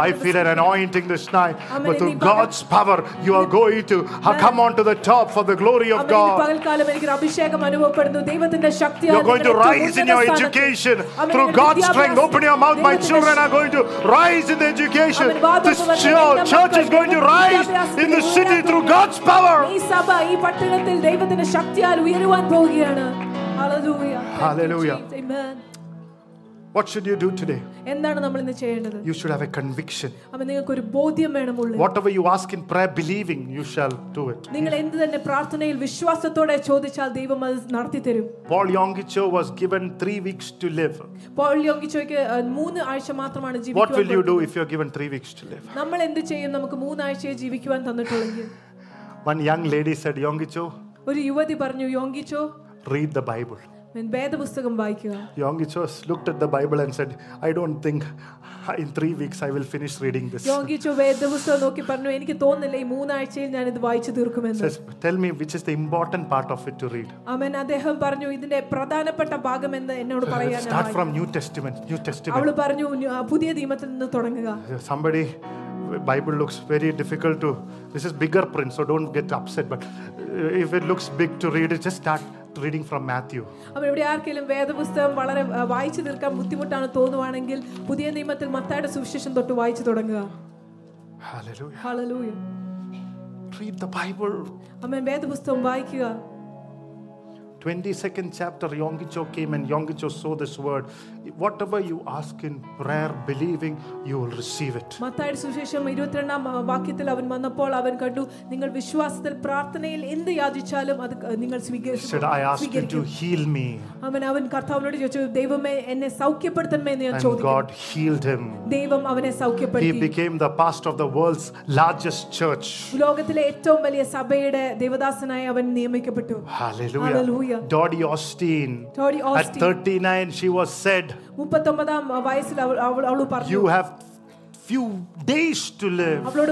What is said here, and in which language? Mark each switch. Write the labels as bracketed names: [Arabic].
[English] I feel an anointing this night, but through God's power you are going to come on to the top for the glory of God. [Malayalam] അമ്മേ പകൽക്കാലം എനിക്ക് അഭിഷേകം അനുഭവപ്പെടുന്നു ദൈവത്തിന്റെ ശക്തിയാൽ. [English] You're going to rise in your education through God's strength. Open your mouth. My children are going to rise in the education. Church is going to rise in the city through God's power. [Malayalam] ഈ സഭ ഈ പട്ടണത്തിൽ ദൈവത്തിന്റെ ശക്തിയാൽ ഉയരുവാൻ പോവുകയാണ്. [English] Hallelujah. Hallelujah. Amen. What should you do today? [Malayalam] എന്താണ് നമ്മൾ ഇന്ന് ചെയ്യേണ്ടത്? [English] You should have a conviction. [Malayalam] അപ്പോൾ നിങ്ങൾക്ക് ഒരു ബോധ്യം വേണമുള്ളൂ. [English] Whatever you ask in prayer believing, you shall do it. [Malayalam] നിങ്ങൾ എന്തുതന്നെ പ്രാർത്ഥനയിൽ വിശ്വാസത്തോടെ ചോദിച്ചാൽ ദൈവം അത് നടത്തി തരും. [English] Paul Yongicho was given 3 weeks to live. [Malayalam] Paul Yongicho-ക്ക് 3 ആഴ്ച മാത്രമാണ് ജീവിക്കാൻ. [English] What will you do if you are given 3 weeks to live? [Malayalam] നമ്മൾ എന്ത് ചെയ്യും നമുക്ക് 3 ആഴ്ചയെ ജീവിക്കാൻ തന്നിട്ടുണ്ടെങ്കിൽ? [English] One young lady said, Yongicho. [Malayalam] ഒരു യുവതി പറഞ്ഞു യോങ്കിച്ചോ. [English] Read the Bible. [Malayalam] When വേദപുസ്തകം വായിക്കുക. [English] Yongicho looked at the Bible and said, I don't think in 3 weeks I will finish reading this. [Malayalam] Yongicho വേദപുസ്തകം നോക്കി പറഞ്ഞു എനിക്ക് തോന്നുന്നില്ല ഈ 3 ആഴ്ചയിൽ ഞാൻ ഇത് വായിച്ചു തീർക്കുമെന്ന്. [English] Says, tell me which is the important part of it to read. [Malayalam] അമ്മ അദ്ദേഹം പറഞ്ഞു ഇതിന്റെ പ്രധാനപ്പെട്ട ഭാഗം എന്ന് എന്നോട് പറയാനാണ്. [English] Start from New Testament. [Malayalam] അവള് പറഞ്ഞു പുതിയ നിയമത്തിൽ നിന്ന് തുടങ്ങുക. [English] Somebody Bible looks very difficult to this is bigger print so don't get upset but if it looks big to read it just start reading from Matthew. [Malayalam] அவர் இവിടെ ആർക്കെങ്കിലും വേദപുസ്തകം വളരെ വായിച്ചു തീർക്കാൻ ബുദ്ധിമുട്ടാണ് തോന്നുവാണെങ്കിൽ പുതിയ നിയമത്തിൽ മത്തായിയുടെ സുവിശേഷം തൊട്ട് വായിച്ചു തുടങ്ങുക. [English] Hallelujah. Hallelujah. Read the Bible. [Malayalam] அவர் വേദപുസ്തകം വായിക്കുക. [English] 22nd chapter Yongicho came and Yongicho saw this word whatever you ask in prayer believing you will receive it. [Malayalam] മത്തായിയുടെ സുവിശേഷം 22nd വാക്യത്തിൽ അവൻ വന്നപ്പോൾ അവൻ കണ്ടു നിങ്ങൾ വിശ്വാസത്തിൽ പ്രാർത്ഥനയിൽ എന്ത് യാചിച്ചാലും അത് നിങ്ങൾ സ്വീകരിക്കും. അവൻ കർത്താവിനോട് ചോദിച്ചു ദൈവമേ എന്നെ സൗഖ്യപ്പെടുത്തണമേ എന്ന് ഞാൻ [English] ചോദിക്കുന്നു. God healed him. [Malayalam] ദൈവം അവനെ സൗഖ്യപ്പെടുത്തി. [English] He became the pastor of the world's largest church. [Malayalam] ലോകത്തിലെ ഏറ്റവും വലിയ സഭയുടെ ദൈവദാസനായി അവൻ നിയമിക്കപ്പെട്ടു. [English] Hallelujah. Hallelujah. Dottie Austin. At 39, she was said, you have few days to live.